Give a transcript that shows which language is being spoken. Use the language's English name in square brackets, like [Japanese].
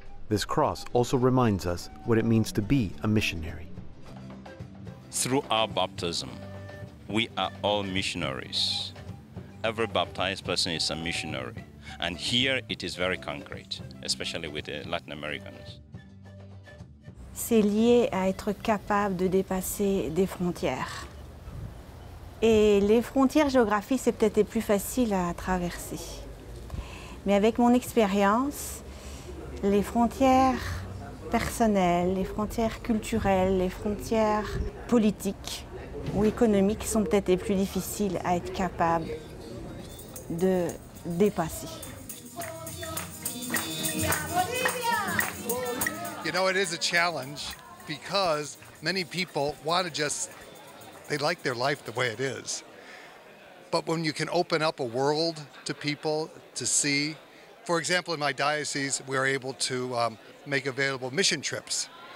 [English] This cross also reminds us what it means to be a missionary. Through our baptism, we are all missionaries. Every baptized person is a missionary. And here it is very concrete, especially with the Latin Americans. [French] C'est lié à être capable de dépasser des frontières. Et les frontières géographiques, c'est peut-être les plus faciles à traverser. Mais avec mon expérience, les frontières personnelles, les frontières culturelles, les frontières politiques ou économiques sont peut-être les plus difficiles à être capables de dépasser. [English] You know, it is a challenge because many people want to just, they like their life the way it is. But when you can open up a world to people to see, for example, in my diocese, we're able to make available mission trips.